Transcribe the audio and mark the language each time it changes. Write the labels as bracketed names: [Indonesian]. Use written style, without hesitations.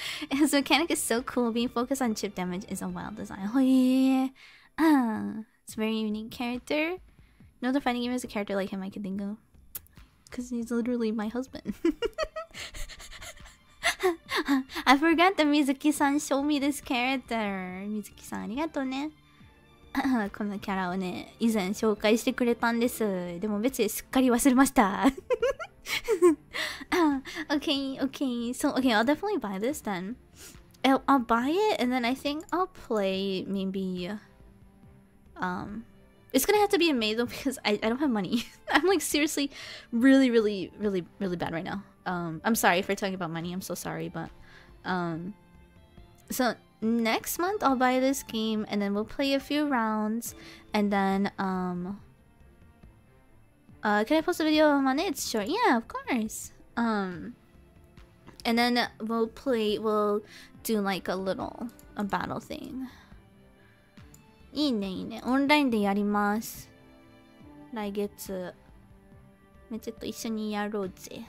[English] His mechanic is so cool. Being focused on chip damage is a wild design. Oh, yeah. It's a very unique character. No other fighting game has a character like him I can think of. Because he's literally my husband. I forgot that Mizuki-san showed me this character. [Japanese] Mizuki-san, ありがとうね。このキャラをね、以前紹介してくれたんです。でも別にすっかり忘れました。 [English] okay. So, okay, I'll definitely buy this then. I'll buy it and then I think I'll play maybe... It's gonna have to be in May though because I don't have money. I'm like seriously really, really, really, really bad right now. I'm sorry for talking about money, I'm so sorry, but, so next month I'll buy this game, and then we'll play a few rounds, and then, can I post a video on Monday? It's short, yeah, of course, and then we'll do like a little, a battle thing. [Japanese] いいね、いいね。オンラインでやります。来月。めちぇと一緒にやろうぜ。